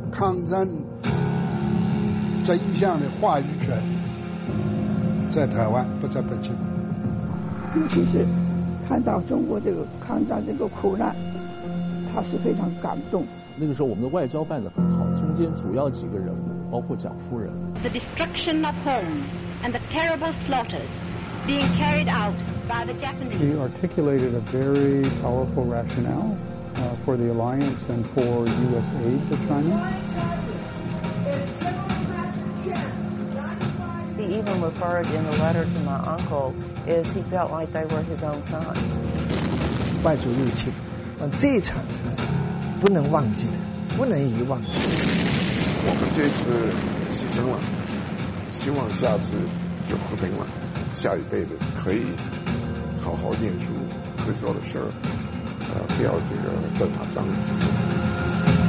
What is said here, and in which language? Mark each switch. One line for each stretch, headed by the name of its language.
Chinese: 抗战真相的话语权在台湾不在北京，尤其是看到中国这个抗战这个苦难，他是非常感动。那个时候我们的外交办得很好，中间主要几个人物包括蒋夫人。
English: The destruction of home and the terrible slaughters being carried outShe articulated a very powerful rationale for the alliance and for U.S. aid to China. He even referred in the letter to my uncle as he felt like they were his own sons.
Chinese: 外族入侵，这一场是不能忘记的，不能遗忘的。我们这次牺牲了，希望下次就和平了，下一辈子可以。好好念书，会做的事儿，不要这个再打仗。